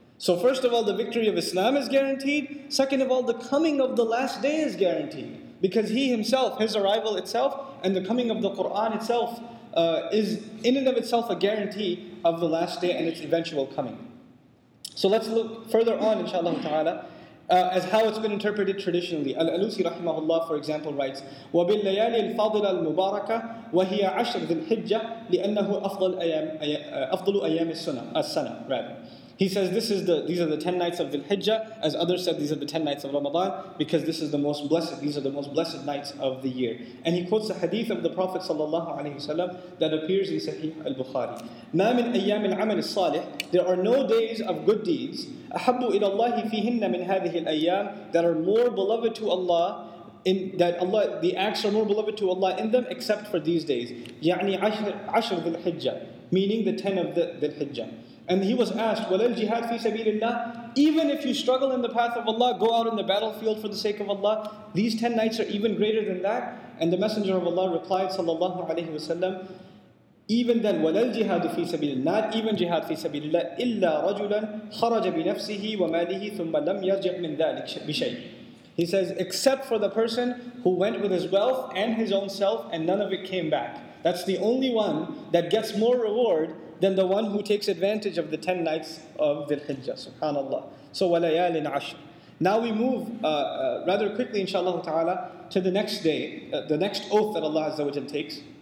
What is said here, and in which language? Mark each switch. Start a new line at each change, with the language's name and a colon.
English: So first of all, the victory of Islam is guaranteed. Second of all, the coming of the last day is guaranteed. Because he himself, his arrival itself, and the coming of the Qur'an itself, is in and of itself a guarantee of the last day and its eventual coming. So let's look further on, inshallah ta'ala, as how it's been interpreted traditionally. Al-Alusi rahimahullah, for example, writes,
Arabic: وَبِالْلَيَالِ الْفَاضِلَ الْمُبَارَكَةِ وَهِيَ عَشْرُ ذِي الْحِجَّةِ لِأَنَّهُ أَفْضَلُ أَيَامِ السَّنَةِ
English: rather. He says, these are the 10 nights of Dhul-Hijjah. As others said, these are the 10 nights of Ramadan, because this is the most blessed, these are the most blessed nights of the year. And he quotes a hadith of the Prophet ﷺ that appears in Sahih al-Bukhari.
Arabic: مَا مِنْ أَيَّامِ الْعَمَلِ الصَّالِحِ,
English: there are no days of good deeds,
Arabic: أَحَبُّ إِلَى اللَّهِ فِيهِنَّ مِنْ هَذِهِ الْأَيَّامِ,
English: that are more beloved to Allah, in that Allah, the acts are more beloved to Allah in them, except for these days.
Arabic: يَعْنِي عَشْرُ
English: Dhul-Hijjah, meaning the 10 of the Dhul-Hijjah. And he was asked,
Arabic: وَلَا الْجِهَادِ فِي سَبِيلِ اللَّهِ,
English: even if you struggle in the path of Allah, go out in the battlefield for the sake of Allah, these 10 nights are even greater than that. And the Messenger of Allah replied, sallallahu alayhi wa sallam, even then,
Arabic: وَلَا الْجِهَادُ فِي سَبِيلِ اللَّهِ,
English: not even jihad fi سَبِيلِ اللَّهِ,
Arabic: إِلَّا رَجُلًا خَرَجَ بِنَفْسِهِ وَمَالِهِ ثُمَّ لَمْ يَرْجِعْ مِنْ ذَلِكَ بِشَيْءٍ.
English: He says, except for the person who went with his wealth and his own self and none of it came back. That's the only one that gets more reward than the one who takes advantage of the 10 nights of Dhul-Hijjah, subhanAllah. So, walayalin ashr. Now we move rather quickly, inshaAllah ta'ala, to the next day, the next oath that Allah Azza wa Jal takes.